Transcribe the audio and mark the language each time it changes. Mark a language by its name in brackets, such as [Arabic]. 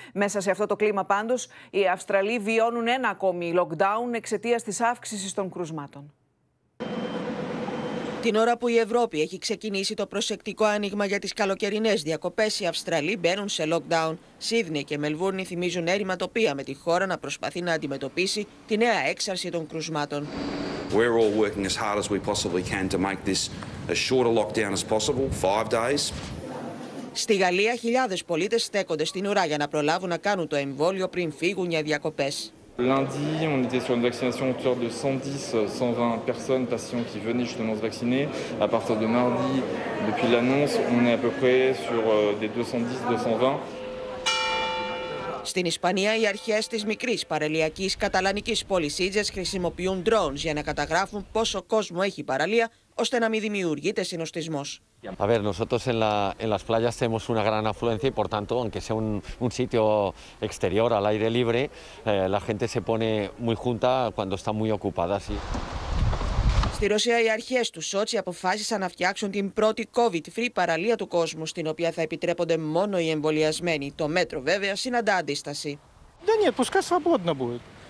[Greek] Μέσα σε αυτό το κλίμα, πάντως, οι Αυστραλοί βιώνουν ένα ακόμη lockdown εξαιτίας της αύξησης των κρουσμάτων. Την ώρα που η Ευρώπη έχει ξεκινήσει το προσεκτικό άνοιγμα για τις καλοκαιρινές διακοπές, οι Αυστραλοί μπαίνουν σε lockdown. Σίδνεϊ και Μελβούρνη θυμίζουν έρημα τοπία, με τη χώρα να προσπαθεί να αντιμετωπίσει τη νέα έξαρση των κρουσμάτων. [English] We're all working as hard as we possibly can to make this as short a lockdown as possible, 5 days. [Greek] Στη Γαλλία, χιλιάδες πολίτες στέκονται στην ουρά για να προλάβουν να κάνουν το εμβόλιο πριν φύγουν για διακοπές. [French] Lundi, on était sur une vaccination autour de 110-120 personnes, patients qui venaient justement se vacciner. À partir de mardi, depuis l'annonce, on est à peu près sur des 210-220. [Greek] Στην Ισπανία, οι αρχές της μικρής παραλιακής καταλανικής πόλης Σίτζες χρησιμοποιούν drones για να καταγράφουν πόσο κόσμο έχει παραλία, ώστε να μην δημιουργείται συνωστισμός. [Spanish] A ver, nosotros en las playas tenemos una gran afluencia y por tanto, aunque sea un sitio exterior al aire libre, la gente se pone muy junta cuando está muy ocupada, sí. [Greek] Στη Ρωσία, οι αρχές του Σότσι αποφάσισαν να φτιάξουν την πρώτη COVID-free παραλία του κόσμου, στην οποία θα επιτρέπονται μόνο οι εμβολιασμένοι. Το μέτρο, βέβαια, συναντά αντίσταση. Δεν είναι, πουσκά σφαμπόδνα μπορεί.